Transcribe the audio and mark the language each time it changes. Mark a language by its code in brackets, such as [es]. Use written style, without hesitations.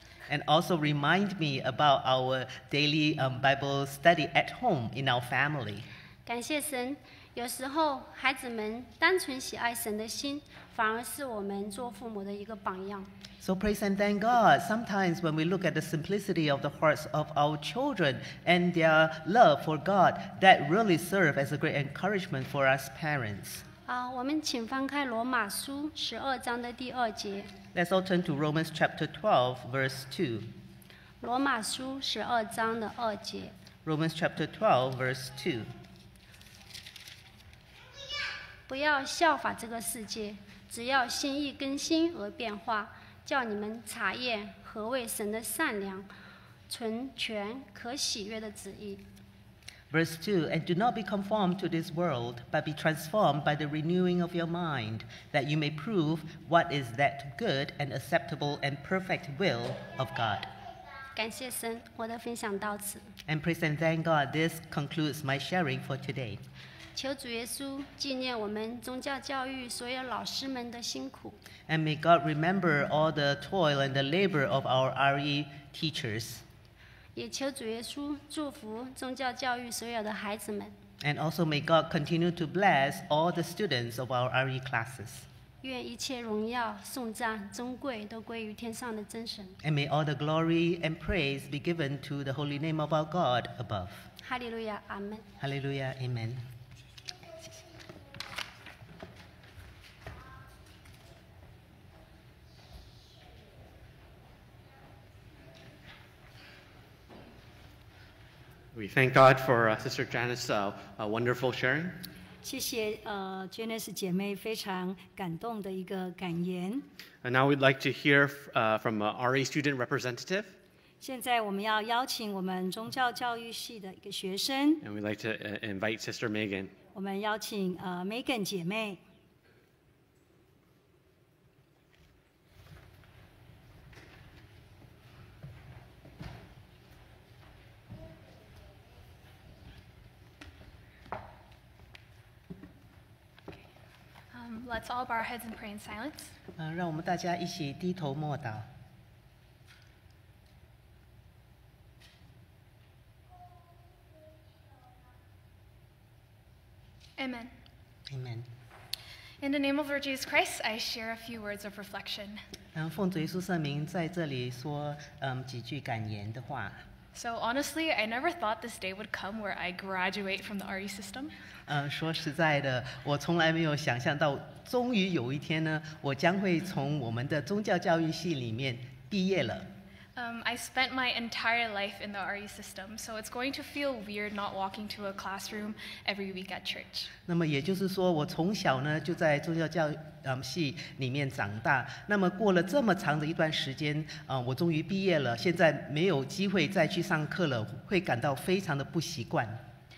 [en] And also remind me about our daily Bible study at home in our family. [zh] 感谢神，有时候孩子们单纯喜爱神的心，反而是我们做父母的一个榜样。 [en] So praise and thank God. Sometimes when we look at the simplicity of the hearts of our children and their love for God, that really serves as a great encouragement for us parents. [zh] 我们请翻开罗马书十二章的第二节。 [en] Let's all turn to Romans chapter 12, verse 2. [zh] 罗马书十二章的二节。 [en] Romans chapter 12, verse 2. [zh] 不要效法这个世界，只要心意更新而变化，叫你们查验何为神的善良、纯全、可喜悦的旨意。 [en] Verse 2, and do not be conformed to this world, but be transformed by the renewing of your mind, that you may prove what is that good and acceptable and perfect will of God. [zh] 感谢神，我的分享到此。 [en] And praise and thank God, this concludes my sharing for today. [zh] 求主耶稣纪念我们宗教教育所有老师们的辛苦。 [en] And may God remember all the toil and the labor of our RE teachers. [zh] 也求主耶稣祝福宗教教育所有的孩子们。 [en] And also may God continue to bless all the students of our RE classes. [zh] 愿一切荣耀、颂赞、尊贵都归于天上的真神。 [en] And may all the glory and praise be given to the holy name of our God above. Hallelujah, Amen. Hallelujah, Amen. [zh] 谢谢。 [en] We thank God for Sister Janice's wonderful sharing. [zh] 谢谢, Janice 姐妹非常感动的一个感言。 [en] And now we'd like to hear from RE student representative. [zh] 现在我们要邀请我们宗教教育系的一个学生。 [en] And we'd like to invite Sister Megan. [zh] 我们邀请Megan 姐妹。 [en] Let's all bow our heads and pray in silence. [zh] 让我们大家一起低头默祷。 [en] Amen. Amen. In the name of Lord Jesus Christ, I share a few words of reflection. [zh] 奉主耶稣圣名在这里说几句感言的话。 [en] So honestly, I never thought this day would come where I graduate from the RE system. [zh] 说实在的，我从来没有想象到，终于有一天呢，我将会从我们的宗教教育系里面毕业了。 [en] I spent my entire life in the RE system, so it's going to feel weird not walking to a classroom every week at church. [zh] 那么也就是说，我从小呢就在宗教教系里面长大，那么过了这么长的一段时间，我终于毕业了，现在没有机会再去上课了，会感到非常的不习惯。